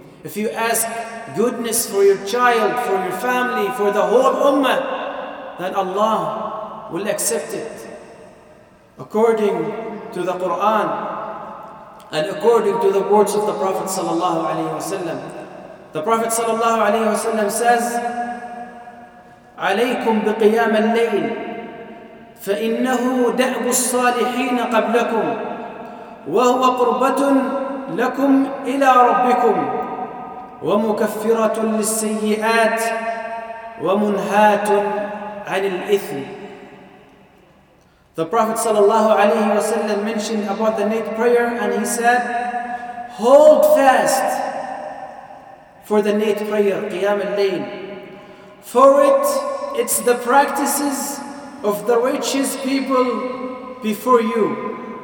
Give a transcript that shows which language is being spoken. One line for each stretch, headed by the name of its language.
English: If you ask goodness for your child, for your family, for the whole ummah, then Allah will accept it according to the Quran and according to the words of the Prophet sallallahu alaihi wasallam. The Prophet
Arabic: sallallahu alaihi wasallam
English: says,
Arabic: عليكم بقيام الليل فإنه دأب الصالحين قبلكم وهو قربة لكم إلى ربكم ومكفرة للسيئات ومنهاة عن الإثم.
English: The Prophet sallallahu alaihi wasallam mentioned about the night prayer, and he said, hold fast for the night prayer, Qiyam al-Layl. For it's the practices of the righteous people before you.